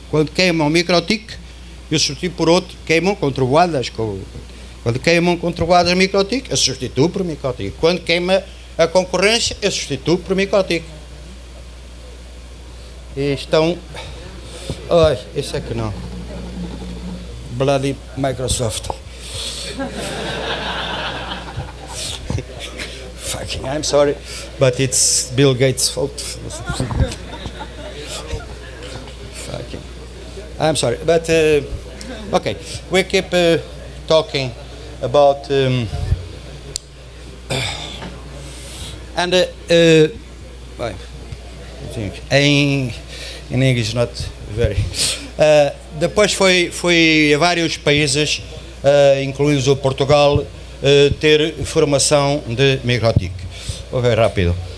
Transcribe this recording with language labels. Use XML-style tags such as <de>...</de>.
<pt>Quando queimam o MicroTik, eu substituo por outro. Queimam com trovoadas, quando queimam com trovoadas MicroTik, eu substituo por MicroTik. Quando queima a concorrência, eu substituo por MicroTik. E estão, ai, isso é que não,</pt> <en>bloody Microsoft. Fucking, I'm sorry, but it's Bill Gates' fault. Fucking, I'm sorry, but okay, we keep talking about and I think in English not very.</en> <pt>Depois fui a vários países, incluindo o Portugal, ter formação de MicroTik. Vou ver rápido.</pt>